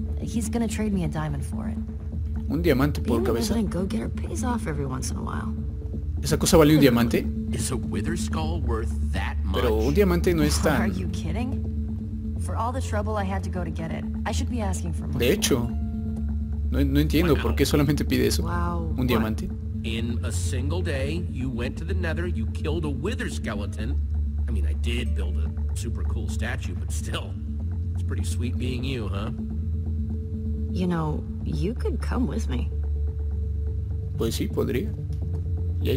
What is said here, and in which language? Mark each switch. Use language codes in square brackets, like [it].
[en] He's gonna trade me a diamond for it. [es] Un diamante por cabeza. [en] Being a go-getter pays off every once in a while. [es] ¿Esa cosa vale un diamante? [en] Is a wither skull worth that much? [es] Pero un diamante no es tan... [en] Are you kidding? For all the trouble I had to go to get it, I should be asking for more. [es] De hecho, no entiendo por qué solamente pide eso. [en] Wow. [es] Un diamante. [en] In a single day, you went to the nether, you killed a wither skeleton. I mean, I did build a super cool statue, but still. Pretty sweet being you, huh? You know, you could come with me. [es] Pues sí, podría. Y ahí